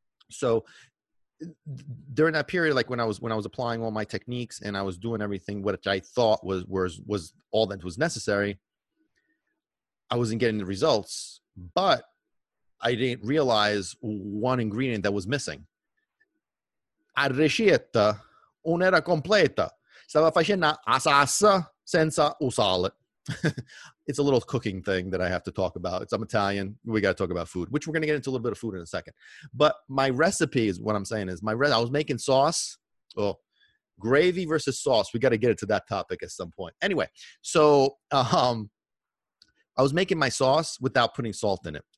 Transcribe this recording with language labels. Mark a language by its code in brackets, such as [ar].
[en] So during that period, like when I was applying all my techniques and I was doing everything which I thought was all that was necessary, I wasn't getting the results, but I didn't realize one ingredient that was missing. [it] A ricetta non era completa. Stava facendo assassa senza usarla. [en] It's a little cooking thing that I have to talk about. I'm Italian. We got to talk about food, which we're going to get into a little bit of food in a second. But my recipe is what I'm saying is I was making sauce. Oh, gravy versus sauce. We got to get into that topic at some point. Anyway, so I was making my sauce without putting salt in it.